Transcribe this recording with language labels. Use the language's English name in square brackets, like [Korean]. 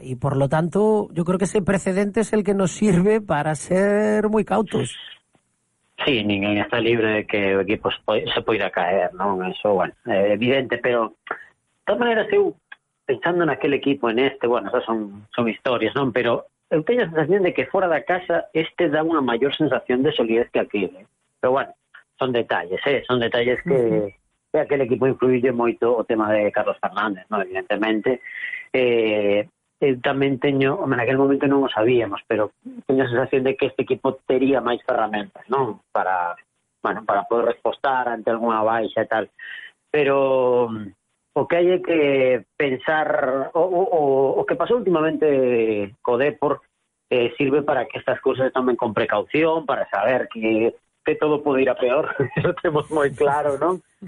[Spanish] Y por lo tanto, yo creo que ese precedente es el que nos sirve para ser muy cautos. [Galician] Sí, ninguén está libre de que o equipo se poida caer, ¿no? [Spanish] Eso, bueno, evidente, pero de todas maneras, eu, pensando en aquel equipo, en este, bueno, esas son historias, ¿no? [Galician] Pero eu teño a sensación de que fuera da casa este da unha maior sensación de solidez que aquí, ¿eh? [Spanish] Pero bueno, son detalles, ¿eh? Son detalles que... Uh-huh. Que aquel equipo influye [Galician] moito o tema [Spanish] de Carlos Fernández, ¿no? Evidentemente. [Galician] Eu tamén teño, en aquel momento non o sabíamos, pero teño a sensación de que este equipo tería máis ferramentas, ¿no? Para poder respostar ante alguna baixa e tal. Pero o que hai que pensar, o que pasou últimamente co Depor, sirve para que estas cousas tomen con precaución, para saber que todo pode ir a peor, eso temos moi claro, non?